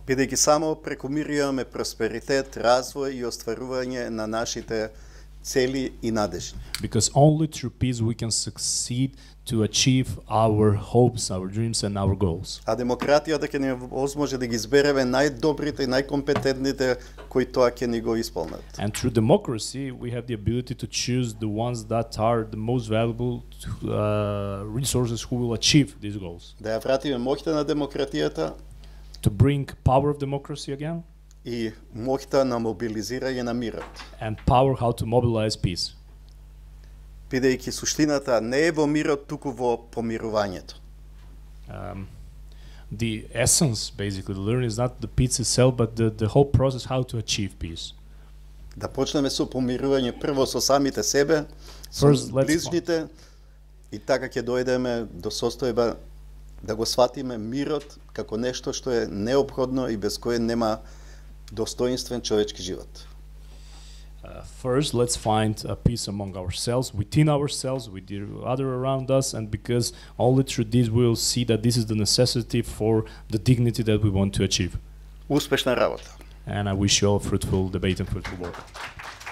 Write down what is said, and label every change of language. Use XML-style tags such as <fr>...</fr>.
<mk>Бидејќи само преку мир имаме просперитет, развој и остварување на нашите цели и надежди.</mk> <en>Because only through peace we can succeed to achieve our hopes, our dreams and our goals.</en> <mk>А демократијата ќе ни овозможи да ги избереме најдобрите и најкомпетентните кои тоа ќе ни го исполнат.</mk> <en>And through democracy we have the ability to choose the ones that are the most valuable resources who will achieve these goals.</en> <mk>Да ја вратиме моќта на демократијата.</mk> <en>To bring power of democracy again.</en> <mk>И моќта на мобилизирање на мирот.</mk> <en>And power how to mobilize peace.</en> <mk>Бидејќи суштината не е во мирот, туку во помирувањето.</mk> <en>The essence, basically, the learning is not the peace itself, but the whole process how to achieve peace.</en> <mk>Да почнеме со помирување прво со самите себе, со ближните, и така ќе дојдеме до состојба да го сватиме мирот како нешто што е необходно и без кое нема достоинствен човечки живот.</mk> <en>First, let's find a peace among ourselves, within ourselves, with the other around us, and because only through this we will see that this is the necessity for the dignity that we want to achieve.</en> <mk>Успешна работа.</mk> <en>And I wish you all a fruitful debate and fruitful work.</en>